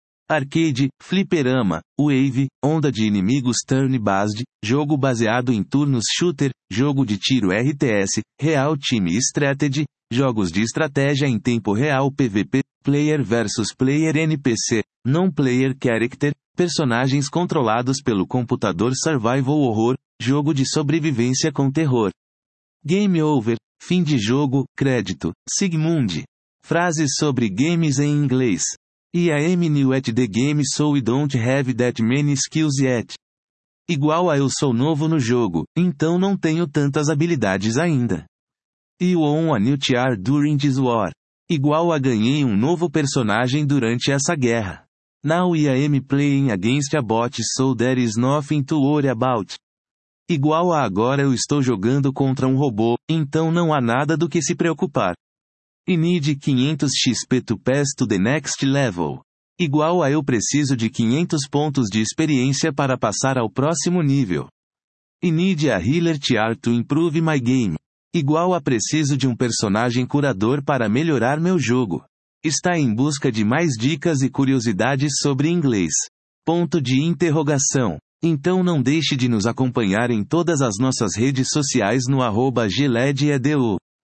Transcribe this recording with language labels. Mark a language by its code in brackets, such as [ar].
[pt] Arcade, fliperama, wave, onda de inimigos turn-based, jogo baseado em turnos shooter, jogo de tiro RTS, [en] real time strategy, [pt] jogos de estratégia em tempo real PVP, [en] player versus player [pt] NPC, [en] non-player character, [pt] personagens controlados pelo computador survival horror, jogo de sobrevivência com terror. Game over, fim de jogo, crédito, Sigmund. Frases sobre games em inglês. [en] E I am new at the game so we don't have that many skills yet. [pt] Igual a eu sou novo no jogo, então não tenho tantas habilidades ainda. [en] You won a new tier during this war. [pt] Igual a ganhei um novo personagem durante essa guerra. [en] Now I am playing against a bot so there is nothing to worry about. [pt] Igual a agora eu estou jogando contra um robô, então não há nada do que se preocupar. [en] I need 500 XP to pass to the next level. [pt] Igual a eu preciso de 500 pontos de experiência para passar ao próximo nível. [en] I need a healer tier to improve my game. [pt] Igual a preciso de um personagem curador para melhorar meu jogo. Está em busca de mais dicas e curiosidades sobre inglês. Ponto de interrogação. Então não deixe de nos acompanhar em todas as nossas redes sociais no @geledeu.